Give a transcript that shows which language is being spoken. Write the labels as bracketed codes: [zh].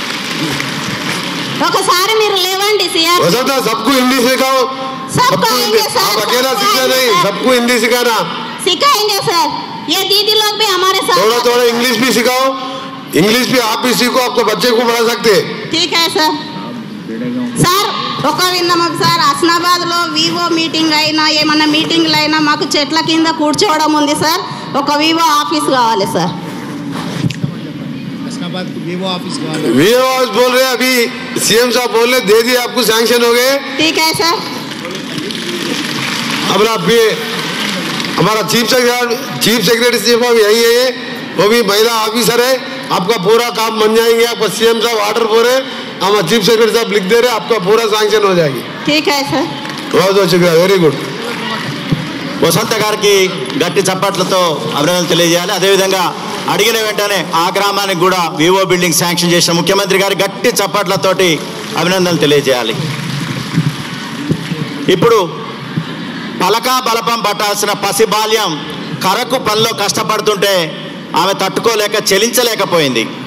[hi] Okay sir, मेरे लेवंडी से यार वजह था, सबको हिंदी सिखाओ, सबको आएंगे सर, आप अकेला सिखा नहीं, सबको हिंदी सिखाना, सिखाएंगे सर। ये दीदी लोग भी हमारे साथ, थोड़ा थोड़ा इंग्लिश भी सिखाओ, इंग्लिश भी आप इसी को आपके बच्चे को पढ़ा सकते हैं। ठीक है सर। [te] सर ఒక విన్నమక సార్, అస్నాబాద్ లో వివో మీటింగ్ అయినా ఏమన్నా మీటింగ్ అయినా మాకు చెట్ల కింద కూర్చోవడం ఉంది సార్, ఒక వివో ఆఫీస్ కావాలి సార్. [hi] वीओ ऑफिस बोल रहे हैं, अभी सीएम साहब बोल रहे दे दिया आपको सैंक्शन हो गए, ठीक है सर। अब आप भी हमारा चीफ सेक्रेटरी साहब यही है, वो भी महिला ऑफिसर है, आपका पूरा काम बन जाएंगे, आपका सीएम साहब ऑर्डर बोल रहे हैं, हमारा चीफ सेक्रेटरी साहब लिख दे रहे, आपका पूरा सैंक्शन हो जाएगी, ठीक है सर। बहुत बहुत शुक्रिया, [en] Very good. [te] वसंत గారికి గట్టి చప్పట్లతో అభినందనలు తెలియజేయాలి, అదేవిధంగా అడిగిన వెంటనే ఆ గ్రామానికి కూడా వివో బిల్డింగ్ శాంక్షన్ చేసిన ముఖ్యమంత్రి గారి గట్టి చప్పట్లతోటి అభినందనలు తెలియజేయాలి. ఇప్పుడు పలక బలపం పట్టాల్సిన పసి బాల్యం కరకు పనిలో కష్టపడుతుంటే ఆమె తట్టుకోలేక చెలించలేకపోయింది.